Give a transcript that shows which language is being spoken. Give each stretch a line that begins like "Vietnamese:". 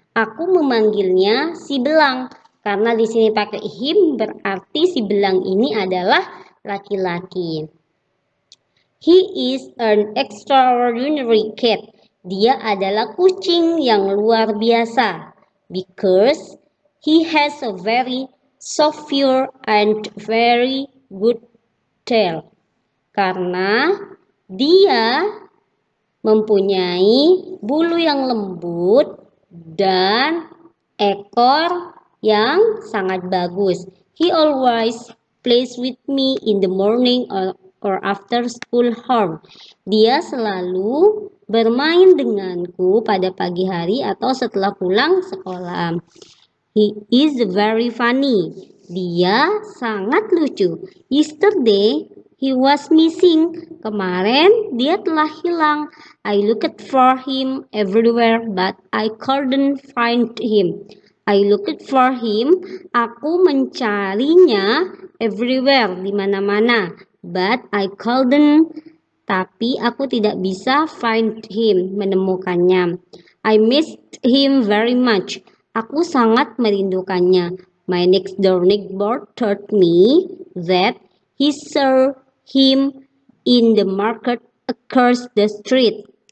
Indonesian: Aku memanggilnya Si Belang. Karena di sini pakai him, berarti Si Belang ini adalah laki-laki.
English: He is an extraordinary cat.
Indonesian: Dia adalah kucing yang luar biasa.
English: Because he has a very soft fur and very good tail.
Indonesian: Karena dia mempunyai bulu yang lembut dan ekor yang sangat bagus.
English: He always plays with me in the morning or after school home.
Indonesian: Dia selalu bermain denganku pada pagi hari atau setelah pulang sekolah.
English: He is very funny.
Indonesian: Dia sangat lucu.
English: Yesterday he was missing.
Indonesian: Kemarin dia telah hilang.
English: I looked for him everywhere but I couldn't find him. I looked for him.
Indonesian: Aku mencarinya
English: everywhere,
Indonesian: di mana-mana.
English: But I couldn't.
Indonesian: Tapi aku tidak bisa
English: find him,
Indonesian: menemukannya.
English: I missed him very much.
Indonesian: Aku sangat merindukannya.
English: My next door neighbor told me that he saw him in the market across the street.